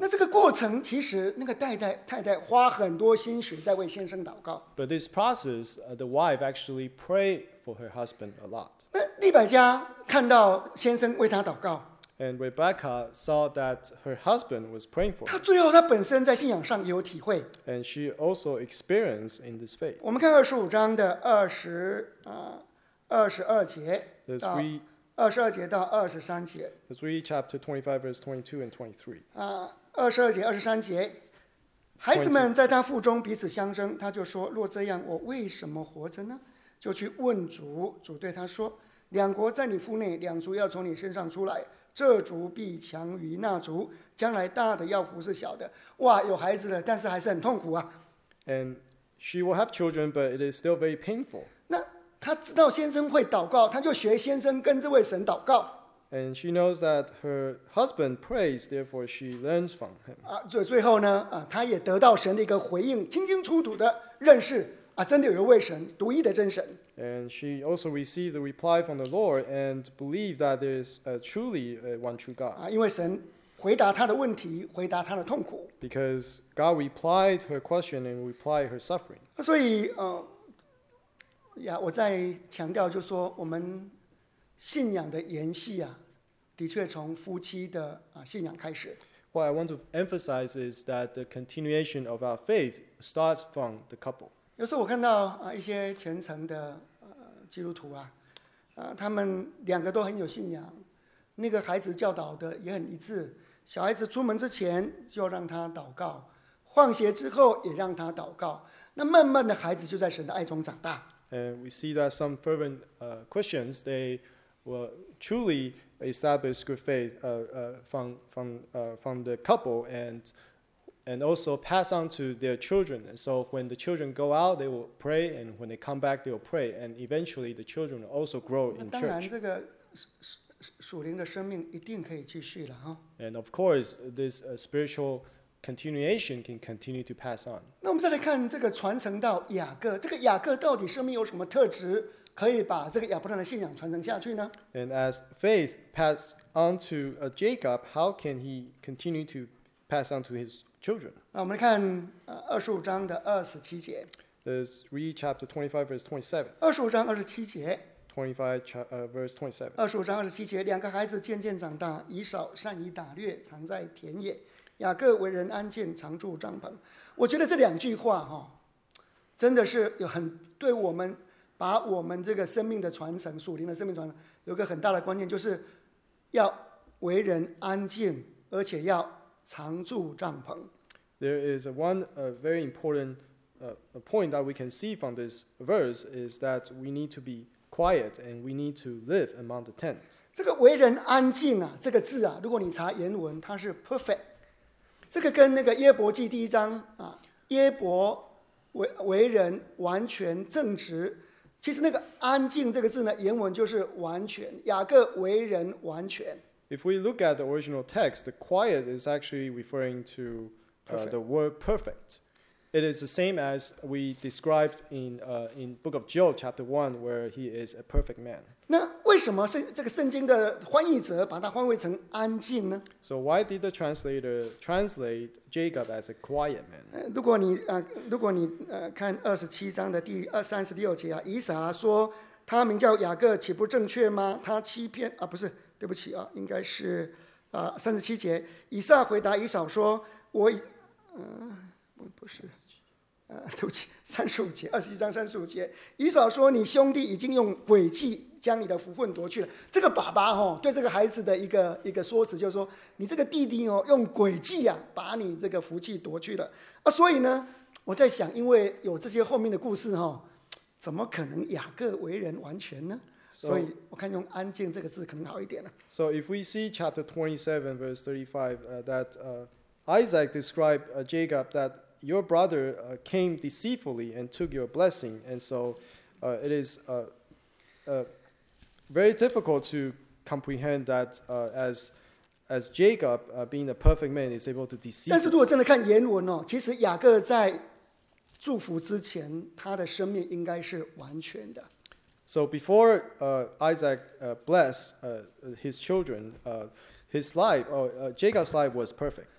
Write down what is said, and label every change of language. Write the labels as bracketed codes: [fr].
[zh] 那这个过程其实那个太太花很多心血在为先生祷告。 [en] But this process, the wife actually prayed. For her husband a lot. [zh] 那利百加看到先生为她祷告。 [en] And Rebecca saw that her husband was praying for her. [zh] 她最后她本身在信仰上也有体会。 [en] And she also experienced in this faith. [zh] 我们看二十五章的二十二节到二十二节到二十三节。 [en] Let's read chapter 25, verse 22 and 23. [zh] 二十二节、二十三节，孩子们在她腹中彼此相争，她就说：“若这样，我为什么活着呢？” 就去问主，主对他说：“两国在你腹内，两族要从你身上出来，这族必强于那族，将来大的要服侍小的。” 哇，有孩子了，但是还是很痛苦啊。 [en] And she will have children, but it is still very painful. [zh] 那她知道先生会祷告，她就学先生跟这位神祷告。 [en] And she knows that her husband prays, therefore she learns from him. [zh] 最后呢，她也得到神的一个回应，清清楚楚的认识。真的有一位神，独一的真神。 [en] And she also received a reply from the Lord and believed that there is truly one true God. [zh] 因为神回答她的问题，回答她的痛苦。 [en] Because God replied her question and replied her suffering. [zh] 所以我再强调就是说，我们信仰的延续的确从夫妻的信仰开始。 [en] What I want to emphasize is that the continuation of our faith starts from the couple. [zh] 有时候我看到一些虔诚的基督徒他们两个都很有信仰，那个孩子教导的也很一致。小孩子出门之前就让他祷告，换鞋之后也让他祷告。那慢慢的孩子就在神的爱中长大。 [en] And we see that some fervent Christians, they were truly established good faith from the couple and also pass on to their children. And so when the children go out, they will pray, and when they come back, they will pray. And eventually, the children will also grow in church. [zh] 当然，这个属灵的生命一定可以继续了 [en] And of course, this spiritual continuation can continue to pass on. [zh] 那我们再来看这个传承到雅各，这个雅各到底生命有什么特质，可以把这个亚伯拉罕的信仰传承下去呢？ [en] And as faith passed on to Jacob, how can he continue to pass on to his children? [zh] 那我们来看25章的27节。 [en] Let's read chapter 25, verse 27. [zh] 25章27节。 [en] 25 verse 27. [zh] 25章27节，两个孩子渐渐长大，以扫善于打猎，常在田野。雅各为人安静，常住帐篷。我觉得这两句话真的是有很对我们把我们这个生命的传承，属灵的生命传承，有个很大的观念，就是要为人安静，而且要常住帐篷。 [en] There is one very important point that we can see from this verse is that we need to be quiet and we need to live among the tents. [zh] 这个为人安静这个字如果你查原文，它是 perfect。这个跟那个耶伯记第一章耶伯 为人完全正直。其实那个安静这个字呢，原文就是完全，雅各为人完全。 [en] If we look at the original text, the quiet is actually referring to the word perfect. It is the same as we described in Book of Job, chapter 1, where he is a perfect man. [zh] 那为什么这个圣经的翻译者把它翻译成安静呢？ [en] So why did the translator translate Jacob as a quiet man? [zh] 如果你看27章的第36节以撒说他名叫雅各岂不正确吗？他欺骗不是，对不起应该是37节，以撒回答以扫说我不是对不起，三十五节，二十一章三十五节，以扫说：“你兄弟已经用诡计将你的福分夺去了。” 这个爸爸对这个孩子的一个说辞就是说：“你这个弟弟用诡计把你这个福气夺去了。” 所以呢，我在想，因为有这些后面的故事怎么可能雅各为人完全呢？ [en] So, [zh] 所以我看用安静这个字可能好一点了。 [en] So if we see chapter 27, verse 35, that Isaac described Jacob that. Your brother came deceitfully and took your blessing, and so it is very difficult to comprehend that as Jacob being a perfect man is able to deceive. [zh] 但是如果真的看原文其实雅各在祝福之前，他的生命应该是完全的。 [en] So before Isaac blessed his children, his life, Jacob's life was perfect.